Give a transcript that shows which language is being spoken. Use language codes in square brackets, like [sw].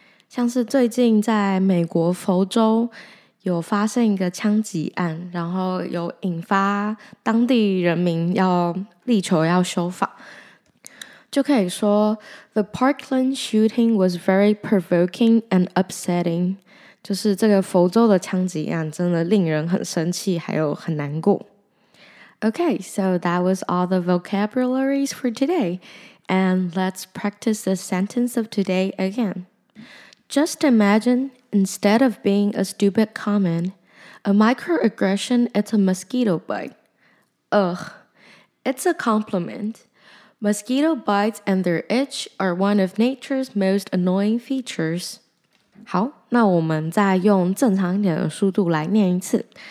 [zh] 像是最近在美国佛州有发生一个枪击案，然后有引发当地人民要力求要修法，就可以说 [en] The Parkland shooting was very provoking and upsetting. [zh] 就是这个佛州的枪击案真的令人很生气还有很难过。 [en] Okay, so that was all the vocabularies for today. And let's practice the sentence of today again. Just imagine, instead of being a stupid comment, a microaggression is a mosquito bite. Ugh, it's a compliment. Mosquito bites and their itch are one of nature's most annoying features. [zh] 好，那我们再用正常一点的速度来念一次。